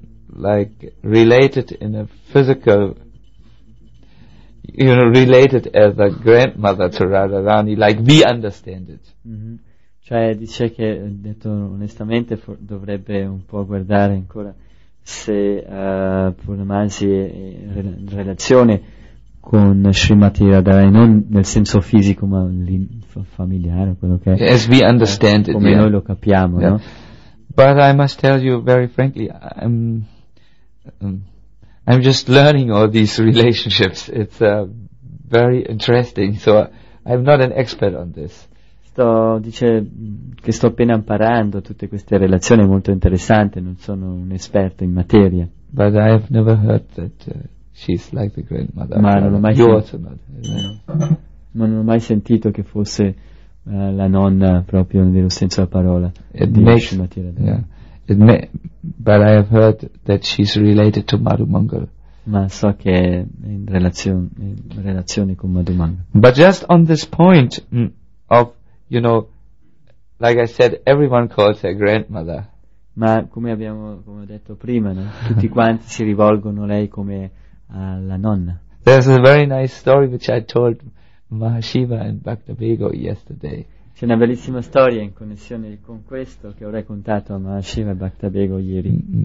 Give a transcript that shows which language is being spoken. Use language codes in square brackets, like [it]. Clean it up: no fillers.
[en] like related in a physical, you know, related as a grandmother to Radharani, like we understand it. Mm-hmm. [it] Cioè, dice che, detto onestamente, dovrebbe un po' guardare ancora se Purnamasi è in relazione con Srimati Radharani, non nel senso fisico, ma familiare, quello che è. [en] As we understand [it] come [en] it. [it] Come noi [en] yeah. [it] lo capiamo, [en] yeah. [it] no? [en] But I must tell you very frankly, I'm just learning all these relationships. It's very interesting. So I'm not an expert on this. [it] Dice che sto appena imparando tutte queste relazioni, molto interessante. Non sono un esperto in materia. [en] But I have never heard that she's like the grandmother. [it] Ma non ho mai sentito. Ma non ho mai sentito che fosse la nonna proprio nel vero senso della parola. [en] But I have heard that she's related to Madhu Mangal. [it] Ma so che è in relazione con Madhu Mangal. [en] But just on this point of, you know, like I said, everyone calls her grandmother. [it] Ma come ho detto prima, no? Tutti quanti si rivolgono a lei come alla nonna. [en] There's a very nice story which I told Mahashiva and Bhaktabego yesterday. [it] C'è una bellissima storia in connessione con questo che ho raccontato a Mahashiva e Bhaktabego ieri.